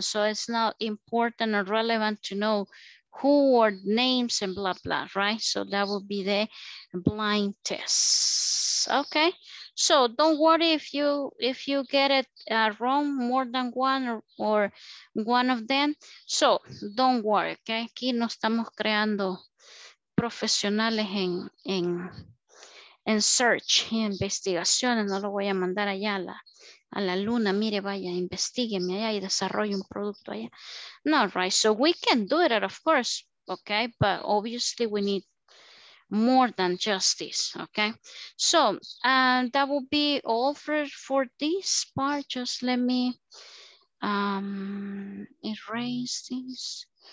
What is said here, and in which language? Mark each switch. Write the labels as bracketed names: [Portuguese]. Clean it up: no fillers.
[English] So it's not important or relevant to know who or names and blah, blah, right? So that will be the blind test. Okay, so don't worry if you get it wrong, more than one or one of them. So don't worry, okay? [Spanish] Aquí no estamos creando profesionales en search, en investigaciones. No lo voy a mandar allá a la luna, mire, vaya, investigueme allá y desarrolle un producto allá. [English] No, right, so we can do it, of course, okay? But obviously we need more than just this, okay? So that will be all for this part. Just let me erase this.